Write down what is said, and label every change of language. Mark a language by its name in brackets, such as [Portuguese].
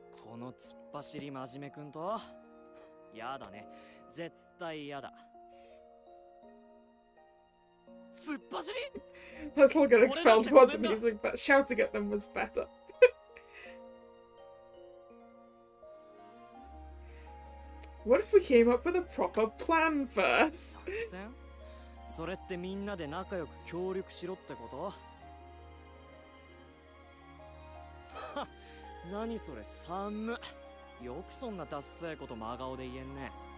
[Japanese] この突っ走り真面目くんと、やだね、絶対やだ。突っ走り？ [English] That's all getting expelled was amazing, but shouting at them was better. What if we came up with a proper plan first? [Japanese] 作戦？それってみんなで仲良く協力しろってこと？何それ寒っ。よくそんなダッサいこと真顔で言えんね。